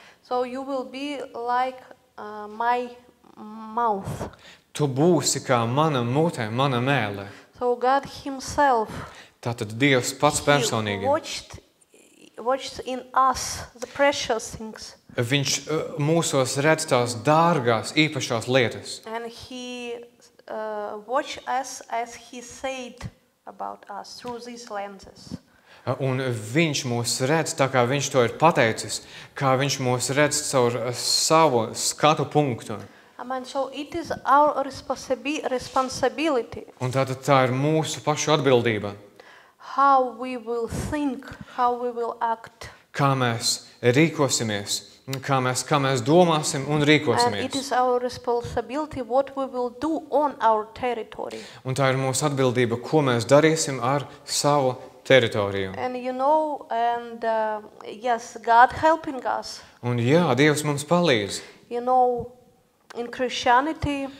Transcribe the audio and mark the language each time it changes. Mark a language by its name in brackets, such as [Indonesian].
[English] so you will be like my mouth. [Latvian] Tu būsi kā mana mutē, mana mēle. [English] So God himself. [Latvian] Tātad Dievs pats personīgi. [English] Watched in us the precious things. [Latvian] Viņš mūsos redz tās dārgās, īpašās lietas. [English] And he watched us as he said about us through these lenses. [Latvian] Un viņš mūs redz, tā kā viņš to ir pateicis, kā viņš mūs redz caur savu skatu punktu. [English] Amen. So it is our responsibility. [Latvian] Un tātad tā ir mūsu pašu atbildība. [English] How we will think, how we will act. [Latvian] Kā mēs rīkosimies, kā mēs domāsim un rīkosimies. [English] And it is our responsibility what we will do on our territory. [Latvian] Un tā ir mūsu atbildība, ko mēs darīsim ar savu teritoriju. [English] And you know, and yes, God helping us. [Latvian] Un jā, Dievs mums palīdz. [English] You know, in Christianity.